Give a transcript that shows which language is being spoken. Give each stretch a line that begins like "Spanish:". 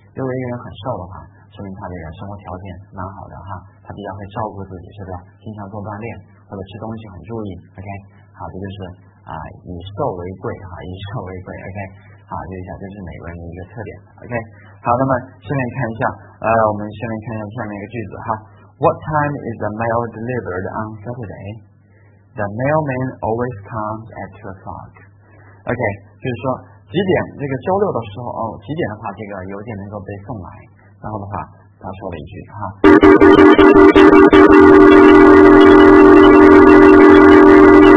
Chinese: 如果一个人很瘦的话，说明他这个生活条件蛮好的哈，他比较会照顾自己，是不是？经常做锻炼或者吃东西很注意 ，OK。好，这就是以瘦为贵哈，以瘦为贵 ，OK。好，这一下就是美国人的一个特点 ，OK。好，那么下面看一下，我们下面看一下下面一个句子哈。
English: What time is the mail delivered on Saturday? The mailman always comes at 2:00.
Chinese: OK， 就是说几点这个周六的时候哦，几点的话这个邮件能够被送来？然后的话，他说了一句哈。